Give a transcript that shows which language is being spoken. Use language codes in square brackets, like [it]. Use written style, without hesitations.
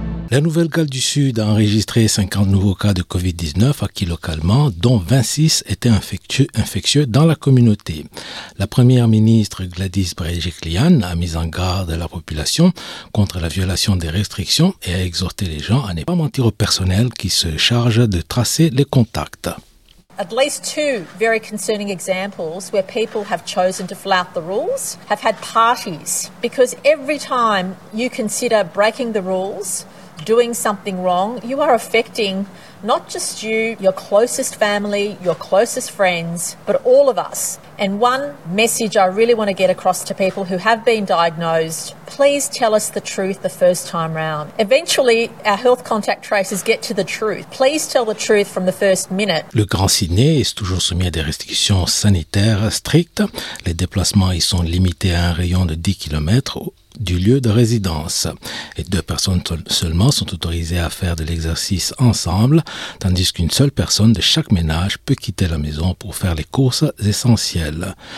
[fr] La Nouvelle-Galles du Sud a enregistré 50 nouveaux cas de COVID-19 acquis localement, dont 26 étaient infectieux dans la communauté. La première ministre Gladys Berejiklian a mis en garde la population contre la violation des restrictions et a exhorté les gens à ne pas mentir au personnel qui se charge de tracer les contacts. [en] At least two very concerning examples where people have chosen to flout the rules have had parties, because every time you consider breaking the rules, doing something wrong, you are affecting not just you, your closest family, your closest friends, but all of us. And one message I really want to get across to people who have been diagnosed, please tell us the truth the first time round. Eventually, our health contact tracers get to the truth. Please tell the truth from the first minute. [fr] Le Grand Sydney est toujours soumis à des restrictions sanitaires strictes. Les déplacements y sont limités à un rayon de 10 km. Du lieu de résidence. Et deux personnes seulement sont autorisées à faire de l'exercice ensemble, tandis qu'une seule personne de chaque ménage peut quitter la maison pour faire les courses essentielles.